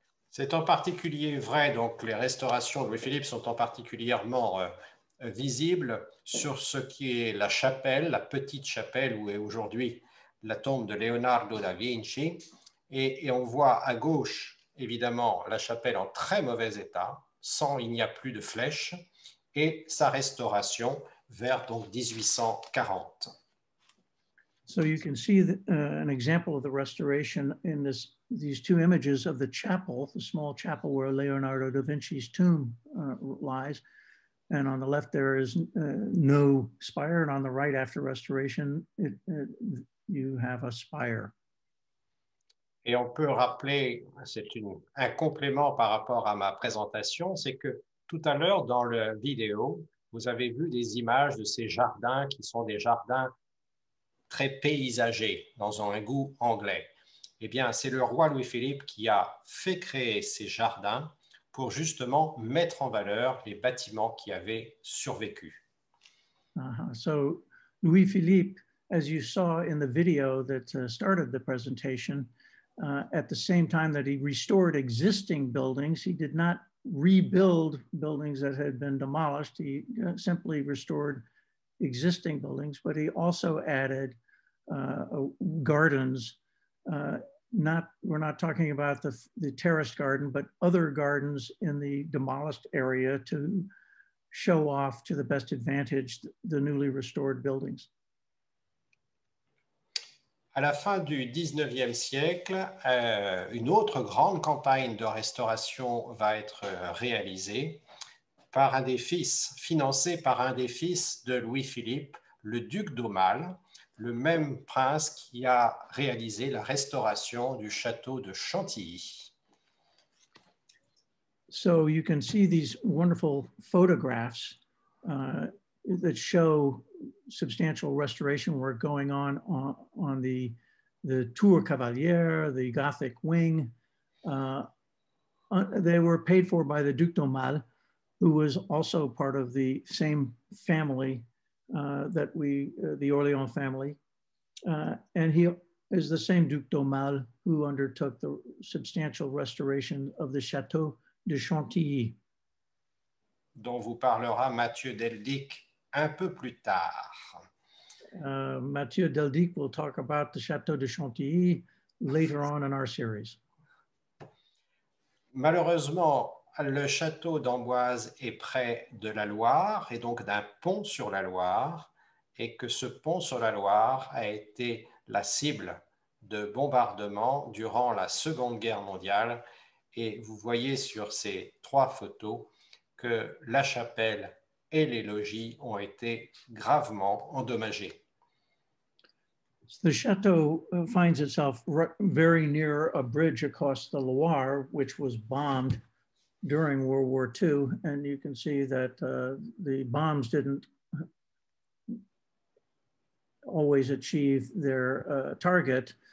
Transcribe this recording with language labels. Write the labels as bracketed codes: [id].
[fr] C'est en particulier vrai, donc les restaurations de Louis-Philippe sont en particulièrement visibles sur ce qui est la chapelle, la petite chapelle où est aujourd'hui la tombe de Leonardo da Vinci, et on voit à gauche évidemment, la chapelle en très mauvais état, sans il n'y a plus de flèches, et sa restauration vers donc 1840. [en] So you can see an example of the restoration in these two images of the chapel, the small chapel where Leonardo da Vinci's tomb lies. And on the left there is no spire, and on the right after restoration, you have a spire. [fr] Et on peut rappeler, c'est un complément par rapport à ma présentation, c'est que tout à l'heure dans la vidéo, vous avez vu des images de ces jardins qui sont des jardins très paysagers, dans un goût anglais. Eh bien, c'est le roi Louis-Philippe qui a fait créer ces jardins pour justement mettre en valeur les bâtiments qui avaient survécu. [en] So, Louis-Philippe, as you saw in the video that started the presentation, at the same time that he restored existing buildings, he did not rebuild buildings that had been demolished. He simply restored existing buildings, but he also added gardens. We're not talking about the terraced garden, but other gardens in the demolished area to show off to the best advantage the newly restored buildings. [fr] À la fin du 19e siècle, une autre grande campagne de restauration va être réalisée par un des fils, financée par un des fils de Louis-Philippe, le duc d'Aumale, le même prince qui a réalisé la restauration du château de Chantilly. [en] So you can see these wonderful photographs that show substantial restoration work going on the tour cavalière, the Gothic wing. They were paid for by the Duc d'Aumale, who was also part of the same family the Orléans family. And he is the same Duc d'Aumale who undertook the substantial restoration of the Château de Chantilly, [fr] dont vous parlera Mathieu Deldic un peu plus tard. [en] Mathieu Deldic will talk about the Château de Chantilly later on in our series. [fr] Malheureusement, le château d'Amboise est près de la Loire et donc d'un pont sur la Loire, et que ce pont sur la Loire a été la cible de bombardements durant la Seconde Guerre mondiale. Et vous voyez sur ces trois photos que la chapelle et les logis ont été gravement endommagés. [en] The château finds itself very near a bridge across the Loire, which was bombed during World War II. And you can see that the bombs didn't always achieve their target.